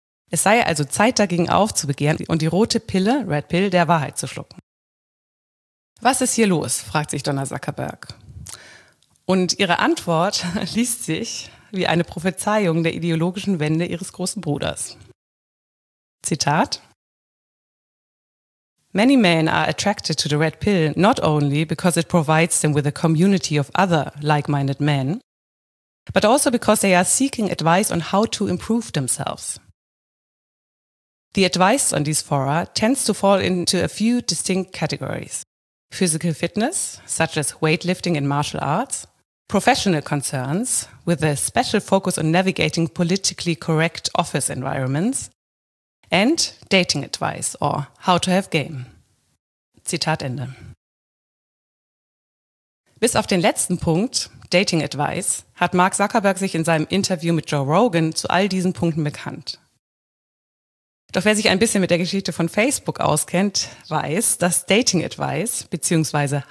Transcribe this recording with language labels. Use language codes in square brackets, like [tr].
[de] Es sei also Zeit, dagegen aufzubegehren und die rote Pille, Red Pill, der Wahrheit zu schlucken. Was ist hier los, fragt sich Donna Zuckerberg. Und ihre Antwort liest sich wie eine Prophezeiung der ideologischen Wende ihres großen Bruders. [en] Zitat: Many men are attracted to the red pill not only because it provides them with a community of other like-minded men, but also because they are seeking advice on how to improve themselves. The advice on these fora tends to fall into a few distinct categories. physical fitness, such as weightlifting and martial arts, professional concerns, with a special focus on navigating politically correct office environments, and dating advice, or how to have game. [de] Zitat Ende. Bis auf den letzten Punkt, Dating Advice, hat Mark Zuckerberg sich in seinem Interview mit Joe Rogan zu all diesen Punkten bekannt. Doch wer sich ein bisschen mit der Geschichte von Facebook auskennt, weiß, dass Dating Advice bzw.